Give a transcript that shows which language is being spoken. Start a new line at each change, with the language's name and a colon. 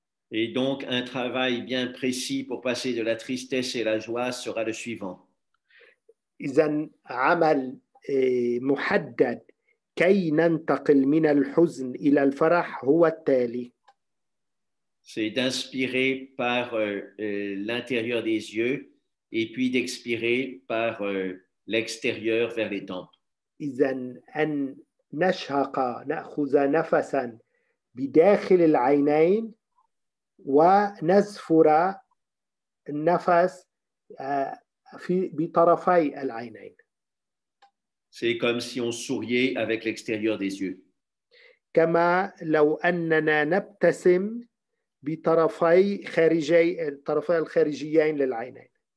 French: Et donc, un travail bien précis pour passer de la tristesse et la joie sera le suivant.
Arabic: إذن عمل محدد كي ننتقل من الحزن إلى الفرح هو التالي.
French: C'est d'inspirer par l'intérieur des yeux et puis d'expirer par l'extérieur vers les tempes.
Arabic: إذن أن نشهق نأخذ نفسا بداخل العينين ونزفر النفس في بطرفي العينين.
French: C'est comme si on souriait avec l'extérieur des yeux.
Arabic: كما لو أننا نبتسم بطرفي خارجي الطرفي الخارجيين للعينين.